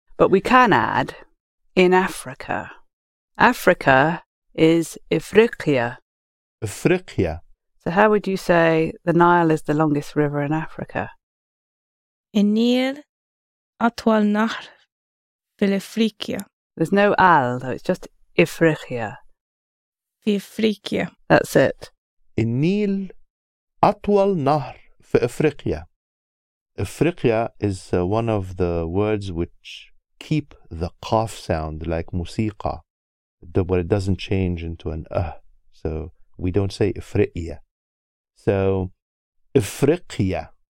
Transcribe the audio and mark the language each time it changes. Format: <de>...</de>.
<en>But we can add, in Africa. Africa is Ifriqiya.</en> <ar>Ifriqiya.</ar> <en>So how would you say the Nile is the longest river in Africa?</en> <ar>In Nil, Atwal Nahr, Fil Ifriqiya.</ar> <en>There's no Al, though, it's just Ifriqiya.</en> <ar>Fi Ifriqiya.</ar> <en>That's it.</en> <ar>النيل أطول نهر في أفريقيا.</ar> <en>أفريقيا is one of the words which keep the قاف sound like موسيقى, but it doesn't change into an أه. So we don't say أفريقيا. So أفريقيا.</en>